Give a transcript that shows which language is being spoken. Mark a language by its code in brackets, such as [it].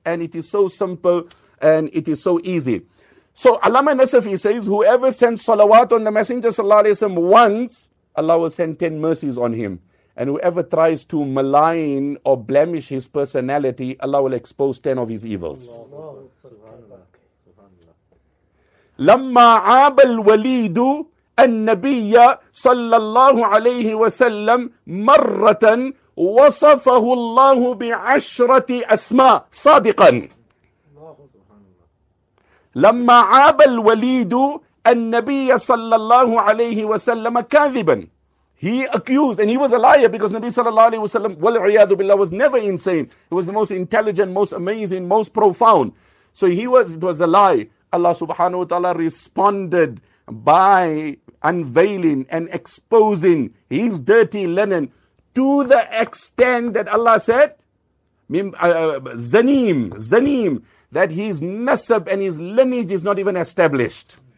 [en] And it is so simple and it is so easy. So Allama Nasafi says, whoever sends salawat on the Messenger sallallahu alayhi wa sallam once, Allah will send 10 mercies on him. And whoever tries to malign or blemish his personality, Allah will expose 10 of his evils. [ar] Lamma abal walidu النبي صلى الله عليه وسلم مرة وصفه الله بعشرة أسماء صادقا لما عاب الوليد النبي صلى الله عليه وسلم كاذبا. [en] He accused, and he was a liar, because Nabi sallallahu alayhi wa sallam, wal-iyadu billah, was never insane. He was the most intelligent, most amazing, most profound. So it was a lie. Allah subhanahu wa ta'ala responded by unveiling and exposing his dirty linen to the extent that Allah said, Zanim, that his nasab and his lineage is not even established.